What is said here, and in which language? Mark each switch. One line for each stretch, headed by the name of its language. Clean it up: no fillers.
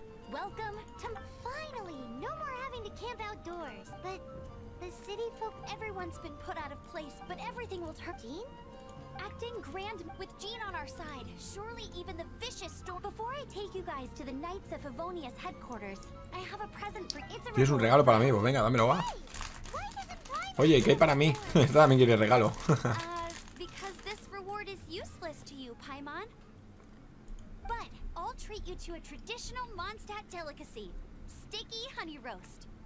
English: Welcome to finally no more having to camp outdoors. But the city folk, everyone's been put out of place, but everything will turn. Jean? Acting grand with Jean on our side. Surely even the vicious storm. Before I take you guys to the Knights of Favonius headquarters, I have a present for it's a
Spanish: regalo. Es un regalo para mí, pues venga, dámelo, va. Hey, oye, ¿qué hay para mí? Esta también quiere regalo.
English: Because this reward is useless to you, Paimon. But I'll treat you to a traditional Mondstadt delicacy, sticky honey roast.